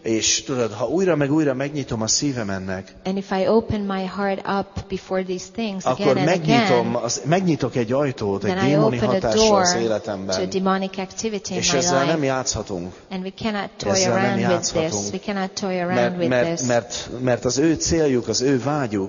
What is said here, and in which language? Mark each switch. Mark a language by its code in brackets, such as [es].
[hu] És tudod, ha újra meg újra megnyitom a szívem ennek, [en] and if I open my heart up before these things, [hu] akkor [en] again [hu] megnyitom, [en] and again, [hu] megnyitok egy ajtót egy démoni hatással az életemben. [en] To a demonic activity in [hu] és [en] my [hu] ezzel [en] life, [hu] nem játszhatunk. [en] And we cannot toy around with this. We cannot toy around with this. [hu] Mert az ő céljuk, az ő vágyuk,